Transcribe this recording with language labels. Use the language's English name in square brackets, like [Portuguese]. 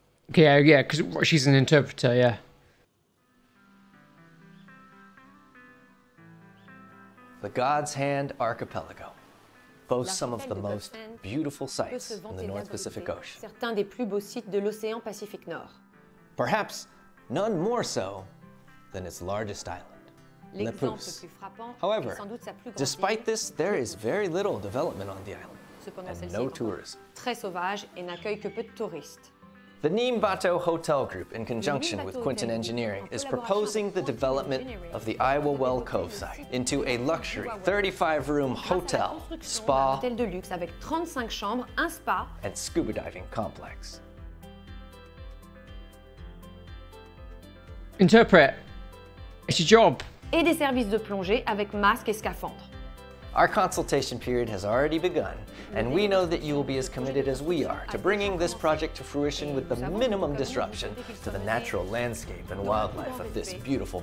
[English] Okay, yeah, because she's an interpreter, yeah. The God's Hand Archipelago boasts some of the most beautiful sites in the North Pacific Ocean. [French] Certains des plus beaux sites de l'océan Pacifique Nord. [English] Perhaps none more so than its largest island, Lepus. However, despite this, there is very little development on the island, and no tourism. [French] Très sauvage et n'accueille que peu de touristes. [English] The Nimbato Hotel Group, in conjunction with Quinton Engineering, is proposing the development of the Iowa Well Cove site into a luxury 35-room hotel, spa, and scuba diving complex. Interpret. It's your job. [French] Et des services de plongée avec masque et scaphandre. [English] Our consultation period has already begun, and we know that you will be as committed as we are to bringing this project to fruition with the minimum disruption to the natural landscape and wildlife of this beautiful